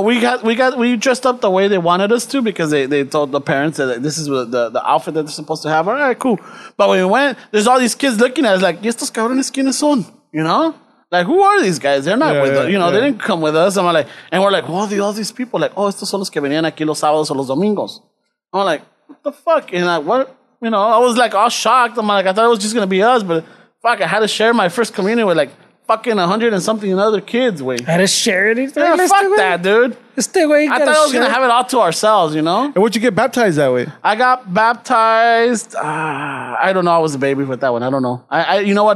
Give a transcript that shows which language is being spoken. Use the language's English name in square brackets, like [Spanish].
[English] We dressed up the way they wanted us to because they told the parents that this is the outfit that they're supposed to have. All right, cool. But when we went, there's all these kids looking at us like, [Spanish] ¿Y estos cabrones quiénes son? [English] You know. Like, who are these guys? They're not with us. You know, they didn't come with us. And we're like, what are all these people? [Spanish] Like, estos son los que venían aquí los sábados o los domingos. [English] I'm like, what the fuck? And like, what? You know, I was like all shocked. I'm like, I thought it was just going to be us. But fuck, I had to share my first communion with like fucking 100 and something other kids. Wait. I had to share it? Yeah, fuck that, dude. I thought I was going to have it all to ourselves, you know? And what'd you get baptized that way? I got baptized. I don't know. I was a baby with that one. I don't know. I you know what?